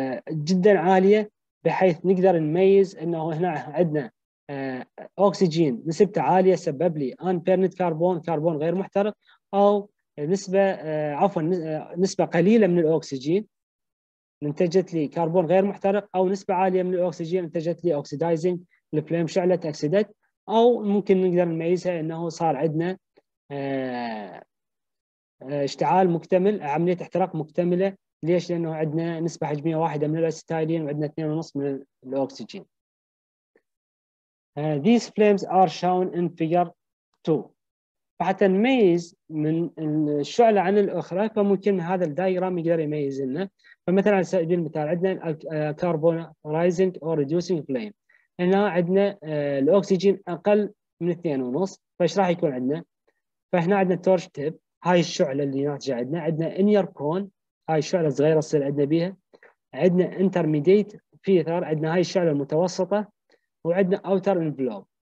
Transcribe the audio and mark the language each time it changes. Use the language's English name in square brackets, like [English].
[Arabic] جدا عاليه، بحيث نقدر نميز انه هنا عندنا اكسجين نسبته عاليه سبب لي [English] unburned carbon، [Arabic] كربون غير محترق، او نسبه عفوا نسبه قليله من الاكسجين انتجت لي كربون غير محترق، او نسبه عاليه من الاكسجين انتجت لي oxidizing الفليم شعله تاكسدت، او ممكن نقدر نميزها انه صار عندنا اشتعال مكتمل، عمليه احتراق مكتمله. ليش؟ لانه عندنا نسبه حجميه واحده من الاسيتايلين وعندنا 2.5 من الاكسجين. [English] These flames are shown in figure 2. [Arabic] فحتى نميز من الشعله عن الاخرى، فممكن هذا الدايجرام يقدر يميز لنا. فمثلا على سبيل المثال عندنا الكربون رايزنج اور ريدوسينج فليم، هنا عندنا الاكسجين اقل من 2.5، فايش راح يكون عندنا؟ فهنا عندنا تورش تيب، هاي الشعله اللي ناتجه عندنا، عندنا انير كون، هاي الشعله الصغيره تصير عندنا بها، عندنا انترميديت فيثر، عندنا هاي الشعله المتوسطه، وعندنا اوتر انفلوب.